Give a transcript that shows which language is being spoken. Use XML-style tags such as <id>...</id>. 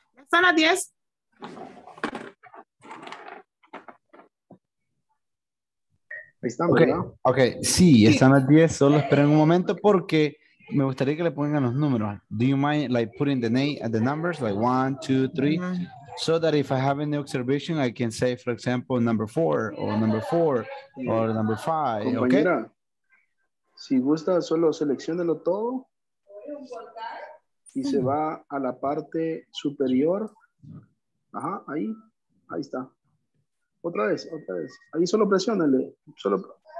<es>Son las 10. Ahí estamos, okay, ¿no? Ok, sí, están las 10, solo esperen un momento porque me gustaría que le pongan los números.</es> <en>Do you mind like putting the name and the numbers, like 1, 2, 3, so that if I have any observation, I can say, for example, number 4 or number 5, compañera, ok?</en> <es>Si gusta, solo selecciónelo todo y se va a la parte superior. Ajá, ahí está. Otra vez. Ahí solo presiónale. Solo.</es>